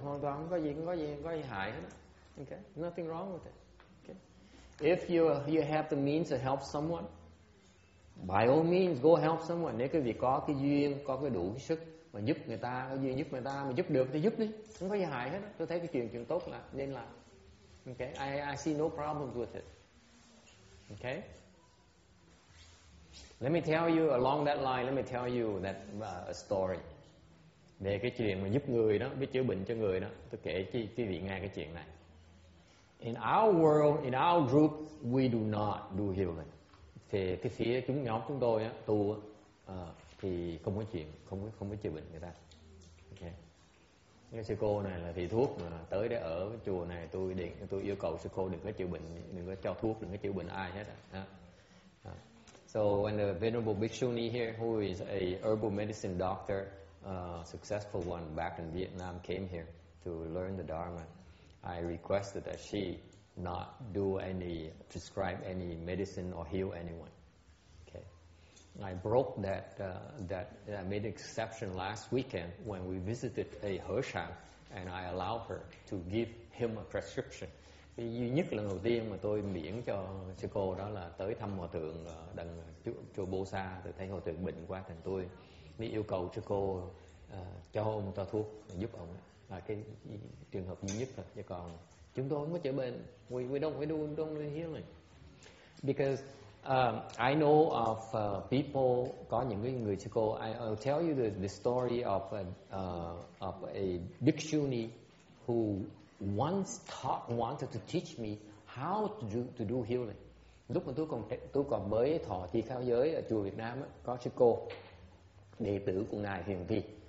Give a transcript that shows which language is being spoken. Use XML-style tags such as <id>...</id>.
<vi>Hoàn toàn không có gì hại hết.</vi> <en>Okay, nothing wrong with it. Okay, if you have the means to help someone, by all means, go help someone.</en> <vi>Nếu quý vị có cái duyên, có cái đủ cái sức mà giúp người ta, có duyên giúp người ta mà giúp được thì giúp đi, không có gì hại hết. Tôi thấy cái chuyện tốt là nên làm. Okay,</vi> <en>I see no problem with it.</en> <vi>Okay.</vi> <en>Let me tell you along that line. Let me tell you that a story</en> <vi>về cái chuyện mà giúp người đó,</vi> <en>biết chữa bệnh cho người đó.</en> <vi>Tôi kể cho quý vị nghe cái chuyện này.</vi> <en>In our world, in our group, we do not do healing.</en> <vi>Thì cái phía chúng nhóm chúng tôi á, tu á, thì không có chuyện, không có chữa bệnh người ta. Okay. Cái sư cô này là thầy thuốc mà tới để ở cái chùa này, tôi yêu cầu sư cô đừng có chữa bệnh, đừng có cho thuốc, đừng có chữa bệnh ai hết.</vi> <en>So when the Venerable Bhikshuni here, who is a herbal medicine doctor, successful one back in Vietnam, came here to learn the Dharma, I requested that she not do any, prescribe any medicine or heal anyone. Okay. I broke that I made an exception last weekend when we visited a Hersham, and I allowed her to give him a prescription.</en> <vi>Cái duy nhất lần đầu tiên mà tôi miễn cho sư cô đó là tới thăm hòa thượng đằng chùa Bô Sa, tôi thấy hòa thượng bệnh quá thành tôi mới yêu cầu sư cô cho ông cho thuốc giúp ông, là cái trường hợp duy nhất thôi, chứ còn chúng tôi không có chữa bệnh.</vi> <en>We don't do healing. Because I know of people,</en> <vi>có những người sư cô.</vi> <en>I'll tell you the story of a bhikshuni who wanted to teach me how to do healing.</en> <vi>Lúc mà tôi còn mới thọ thi khao giới ở chùa Việt Nam, có sư cô đệ tử của ngài Huyền Vi.</vi>